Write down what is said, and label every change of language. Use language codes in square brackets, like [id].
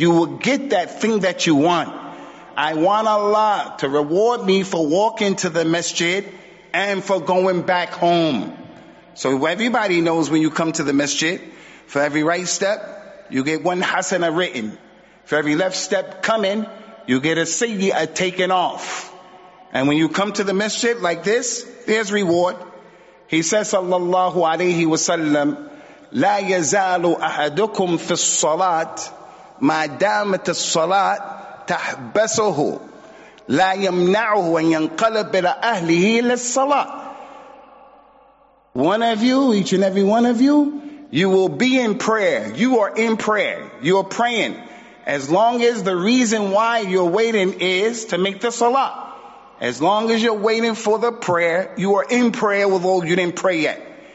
[en] You will get that thing that you want. I want Allah to reward me for walking to the masjid and for going back home. So everybody knows when you come to the masjid, for every right step, you get one hasana written. For every left step coming, you get a sayyi'ah taken off. And when you come to the masjid like this, there's reward. He says, [ar] sallallahu alayhi wa sallam, لا يزال أحدكم في الصلاة ما دامت الصلاة تحبسه لا يمنعه أن ينقلب إلى أهله للصلاة. [en] One of you, each and every one of you, you will be in prayer. You are in prayer. You are praying. As long as the reason why you're waiting is to make the salah. As long as you're waiting for the prayer, you are in prayer, although you didn't pray yet.